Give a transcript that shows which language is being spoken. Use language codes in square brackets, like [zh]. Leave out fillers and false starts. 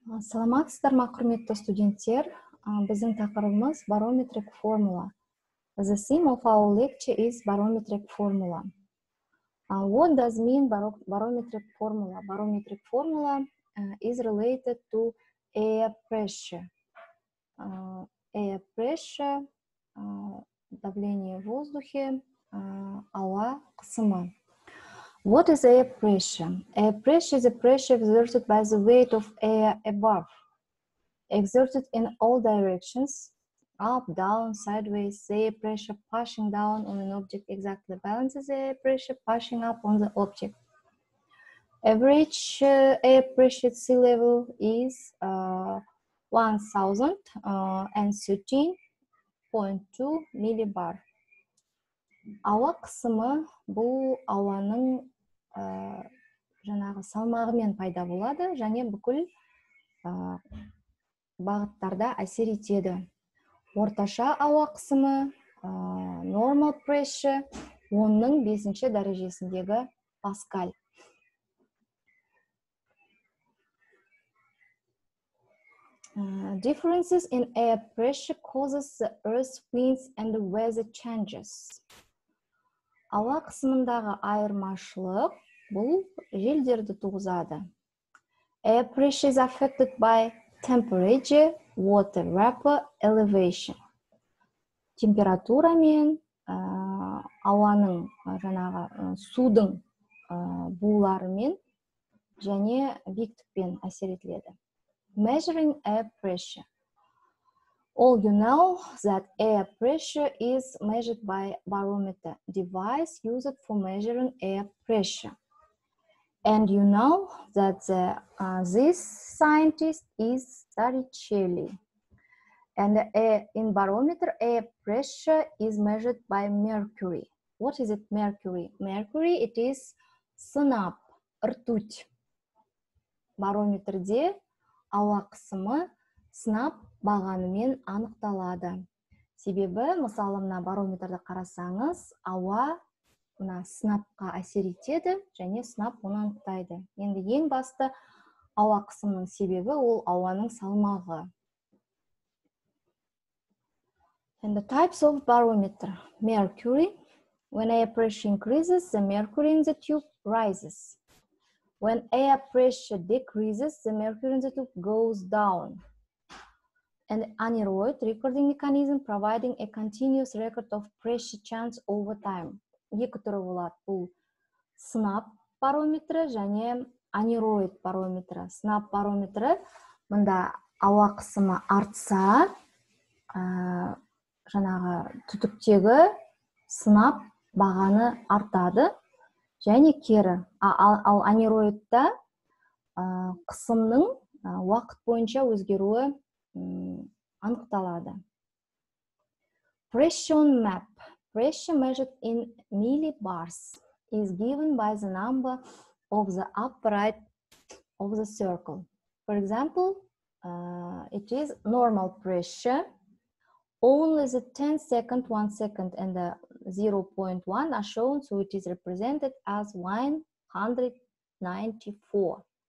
[kk] Саламатсыздар ма, құрметті студенттер. Біздің тақырыбымыз барометрик формула. [en] The theme of our lecture is barometric formula. What does mean barometric formula? Barometric formula is related to air pressure. Air pressure [ru] – давление в воздухе, [kk] ауа – қысымы. [en] What is air pressure? Air pressure is the pressure exerted by the weight of air above, exerted in all directions, up, down, sideways. The air pressure pushing down on an object exactly balances the air pressure pushing up on the object. Average air pressure at sea level is 1013.2 millibar. [kk] Ауа қысымы бұл ауаның жаңағы салмағымен пайда болады, және бүкіл бағыттарда әсер етеді. Орташа ауа қысымы, [en] normal pressure, [kk] 10-ның 5-ші дәрежесіндегі паскаль. [en] Differences in air pressure causes the earth winds and the weather changes. [kk] Ауа қысымындағы айырмашылық бұл желдерді туғызады. [en] Air pressure is affected by temperature, water vapor, elevation. [kk] Температура мен ауаның жаңағы судың буларымен және биіктікпен әсер етіледі. [en] Measuring air pressure. All you know that air pressure is measured by barometer, device used for measuring air pressure. And you know that this scientist is Torricelli. And in barometer, air pressure is measured by mercury. What is it, mercury? Mercury, it is сынап, ртуть. [kk] Барометрде ауа қысымы сынап бағанымен анықталады. Себебі, мысалы, мына барометрді қарасаңыз, ауа мына сынапқа әсер етеді, және сынап оны анықтайды. Енді ең басты ауа қысымының себебі ол ауаның салмағы. [en] And the types of barometer. Mercury. When air pressure increases, the mercury in the tube rises. When air pressure decreases, the mercury in the tube goes down. And aneroid recording mechanism providing a continuous record of pressure change over time. [kk] Екі түрі болады. Бұл сынап барометрі және анероид барометрі. Сынап барометрі, мында ауа қысымы артса, жаңағы түтіктегі сынап бағаны артады, және кері. Ал анероидта қысымның уақыт бойынша өзгеруі анықталады. [en] Pressure map. Pressure measured in millibars is given by the number of the upright of the circle. For example, it is normal pressure. Only the 10 second, 1 second and the 0.1 are shown, so it is represented as 194.